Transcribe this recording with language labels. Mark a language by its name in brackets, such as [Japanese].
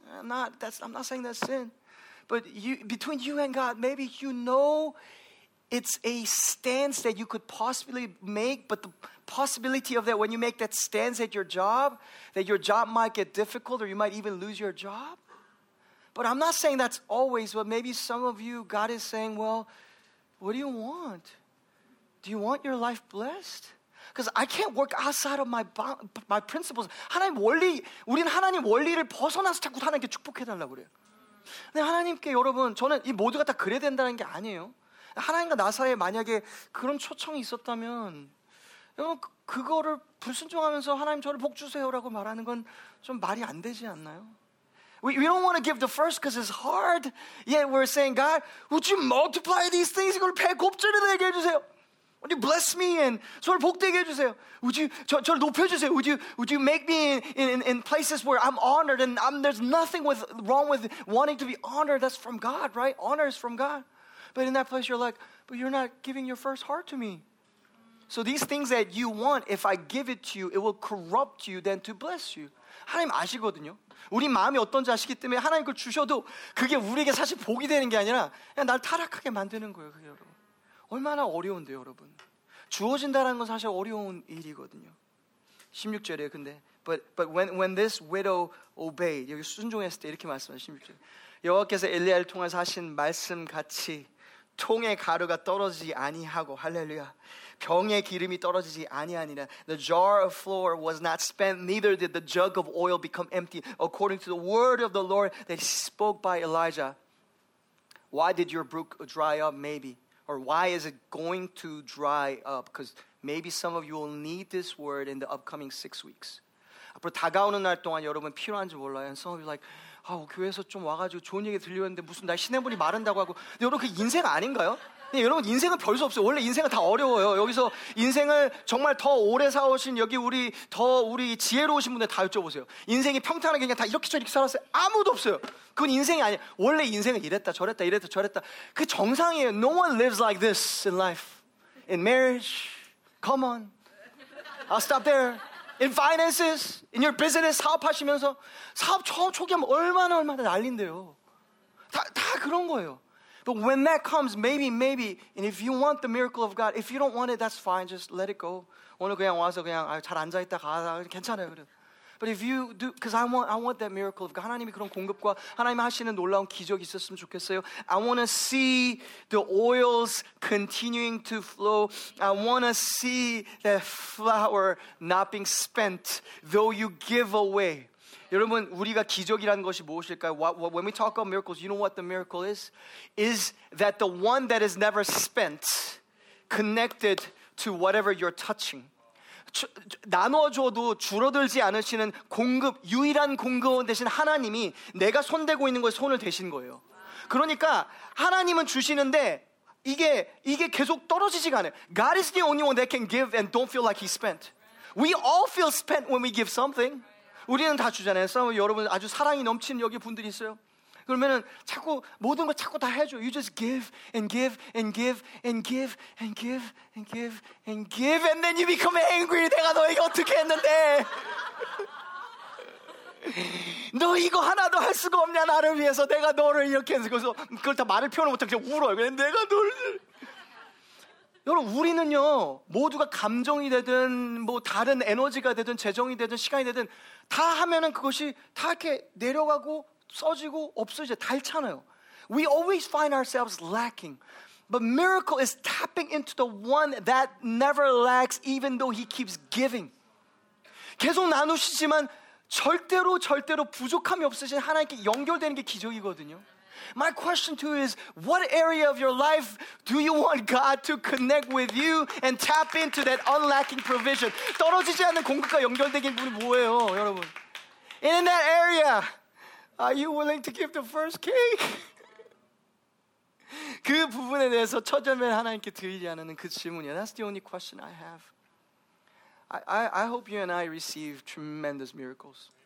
[English] I'm not saying that's sin. But you, between you and God, maybe you know it's a stance that you could possibly make, but the possibility of that when you make that stance at your job, that your job might get difficult or you might even lose your job. But I'm not saying that's always, but maybe some of you, God is saying, well, what do you want? Do you want your life blessed? Because I can't work outside of my principles. [Korean] 하나님 원리, 우리는 하나님 원리를 벗어나서 자꾸 하나님께 축복해달라고 그래요. 근데 하나님께 여러분, 저는 이 모두가 다 그래야 된다는 게 아니에요. 하나님과 나 사이에 만약에 그런 초청이 있었다면 여러분, 그거를 불순종하면서 하나님 저를 복 주세요라고 말하는 건 좀 말이 안 되지 않나요? [English] We don't want to give the first because it's hard. Yet we're saying, God, would you multiply these things? [Korean] 이걸 배꼽질이 되게 해주세요. [English] Would you bless me and [Korean] 저를 복되게 해주세요. [English] Would you [Korean] 저를 높여주세요. [English] Would you make me in places where I'm honored and there's nothing wrong with wanting to be honored. That's from God, right? Honor is from God. But in that place, you're like, but you're not giving your first heart to me. So these things that you want, if I give it to you, it will corrupt you then to bless you. [Korean] 하나님 아시거든요. 우리 마음이 어떤지 아시기 때문에 하나님 그걸 주셔도 그게 우리에게 사실 복이 되는 게 아니라 그냥 날 타락하게 만드는 거예요, 그게 여러분. 얼마나 어려운데요, 여러분. 주어진다는 건 사실 어려운 일이거든요. 16절이에요, 근데. [English] But when this widow obeyed, [Korean] 여기 순종했을 때 이렇게 말씀하세요, 16절. 여호와께서 엘리야를 통해서 하신 말씀 같이 통의 가루가 떨어지지 아니하고, 할렐루야. 병의 기름이 떨어지지 아니하니라. [English] The jar of flour was not spent, neither did the jug of oil become empty, according to the word of the Lord that he spoke by Elijah. Why did your brook dry up, maybe? Or why is it going to dry up? Because maybe some of you will need this word in the upcoming 6 weeks. [Korean] 앞으로 다가오는 날 동안 여러분 필요한지 몰라요. [English] And some of you are like, [Korean] 아, 교회에서 좀 와가지고 좋은 얘기 들려는데 무슨 날 신의 분이 마른다고 하고. 근데 여러분 그게 인생 아닌가요? 네, 여러분 인생은 별 수 없어요. 원래 인생은 다 어려워요. 여기서 인생을 정말 더 오래 사오신 여기 우리 더 우리 지혜로우신 분들 다 여쭤보세요. 인생이 평탄하게 그냥 다 이렇게 저 이렇게 살았어요. 아무도 없어요. 그건 인생이 아니에요. 원래 인생은 이랬다 저랬다 이랬다 저랬다. 그게 정상이에요. [English] No one lives like this in life. In marriage. Come on. I'll stop there. In finances. In your business. [Korean] 사업하시면서. 사업 초기 하면 얼마나 난리인데요. 다 그런 거예요. [English] But when that comes, maybe, and if you want the miracle of God, if you don't want it, that's fine. Just let it go. [Korean] 오늘 그냥 와서 그냥 잘 앉아 있다 가 괜찮아요. 그래. [English] But if you do, because I want that miracle of God. [Korean] 하나님이 그런 공급과 하나님 하시는 놀라운 기적이 있었으면 좋겠어요. [English] I want to see the oils continuing to flow. I want to see that flour not being spent, though you give away. [Korean] 여러분, 우리가 기적이라는 것이 무엇일까요? [English] When we talk about miracles, you know what the miracle is? Is that the one that is never spent connected to whatever you're touching. [Korean] 나눠줘도 줄어들지 않으시는 공급, 유일한 공급원 대신 하나님이 내가 손대고 있는 것에 손을 대신 거예요. 그러니까 하나님은 주시는데 이게 계속 떨어지지가 않아요. [English] God is the only one that can give and don't feel like he's spent. We all feel spent when we give something. [Korean] 우리는 다 주잖아요. 그러면 여러분 아주 사랑이 넘치는 여기 분들이 있어요. 그러면은 자꾸 모든 걸 자꾸 다 해줘. [English] You just give and give and give and give and give and give and give and then you become angry. [Korean] 내가 너에게 어떻게 했는데? 너 이거 하나도 할 수가 없냐 나를 위해서 내가 너를 이렇게 해서 그걸 다 말을 표현을 못하고 그냥 울어요. 내가 너를 여러분 우리는요 모두가 감정이 되든 뭐 다른 에너지가 되든 재정이 되든 시간이 되든 다 하면은 그것이 다 이렇게 내려가고 써지고 없어져 닳잖아요. [English] We always find ourselves lacking. But miracle is tapping into the one that never lacks even though he keeps giving. [Korean] 계속 나누시지만 절대로 절대로 부족함이 없으신 하나님께 연결되는 게 기적이거든요. [English] My question to you is, what area of your life do you want God to connect with you and tap into that unlacking provision? [Korean] 떨어지지 않는 공급과 연결되는 부분이 뭐예요, 여러분? [English] And in that area, are you willing to give the first cake? [Korean] 그 부분에 대해서 처절면 하나님께 드리지 않는 그 질문이에요. [English] That's the only question I have. I hope you and I receive tremendous miracles.